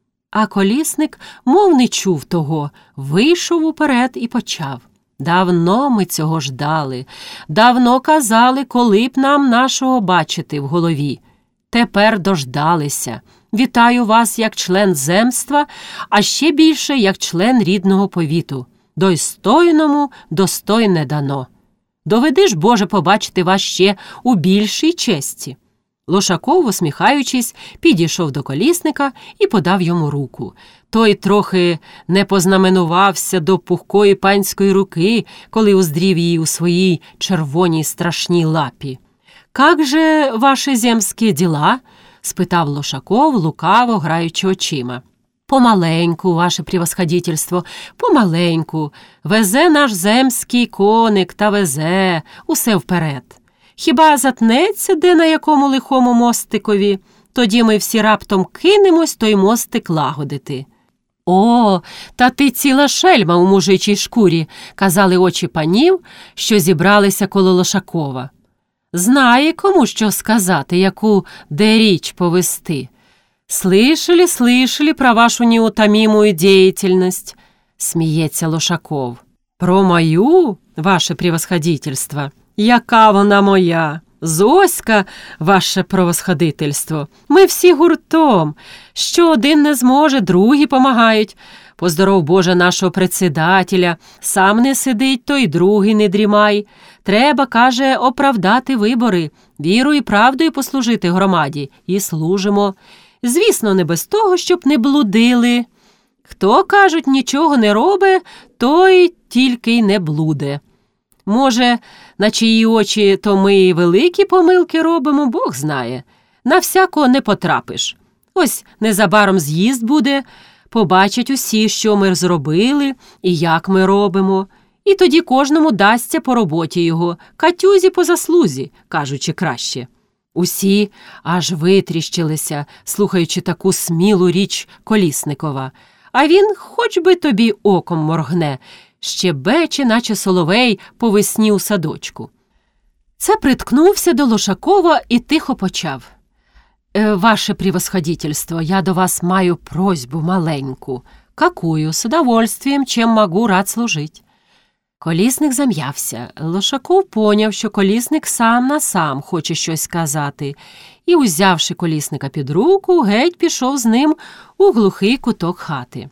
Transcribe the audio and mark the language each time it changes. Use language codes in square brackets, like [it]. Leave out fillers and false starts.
[uk] А Колісник, мов не чув того, вийшов уперед і почав. «Давно ми цього ждали, давно казали, коли б нам нашого бачити в голові. Тепер дождалися. Вітаю вас як член земства, а ще більше як член рідного повіту. Достойному достойне дано. Доведи ж, Боже, побачити вас ще у більшій честі». Лошаков, усміхаючись, підійшов до Колісника і подав йому руку. Той трохи не познаменувався до пухкої панської руки, коли уздрів її у своїй червоній страшній лапі. [ru] «Как же [uk] ваші земські діла?» – спитав Лошаков, лукаво граючи очима. «Помаленьку, [ru] ваше превосходительство, [uk] помаленьку. Везе наш земський коник та везе усе вперед. Хіба затнеться де на якому лихому мостикові? Тоді ми всі раптом кинемось той мостик лагодити». «О, та ти ціла шельма у мужичій шкурі!» – казали очі панів, що зібралися коло Лошакова. «Знає, кому що сказати, яку де річ повести. [ru] Слышали, слышали про вашу неутомимую деятельність?» [uk] – сміється Лошаков. «Про мою, ваше превосходительство? Яка вона моя? Зоська, ваше превосходительство? Ми всі гуртом. Що один не зможе, другі помагають. Поздоров Боже нашого председателя. Сам не сидить, то й другий не дрімай. Треба, каже, оправдати вибори, віру і правдою послужити громаді. І служимо. Звісно, не без того, щоб не блудили. Хто, кажуть, нічого не робить, той тільки й не блуде. Може, на чиї очі то ми і великі помилки робимо, Бог знає. На всякого не потрапиш. Ось незабаром з'їзд буде, побачать усі, що ми зробили і як ми робимо. І тоді кожному дасться по роботі його, Катюзі по заслузі, кажучи краще. Усі аж витріщилися, слухаючи таку смілу річ Колісникова. А він хоч би тобі оком моргне, щебече, наче соловей, по весні у садочку. Це приткнувся до Лошакова і тихо почав. «Ваше превосходительство, я до вас маю просьбу маленьку. [ru] Какую? С удовольствием, чем могу рад служить?» [uk] Колісник зам'явся. Лошаков поняв, що Колісник сам на сам хоче щось сказати, і, узявши Колісника під руку, геть пішов з ним у глухий куток хати.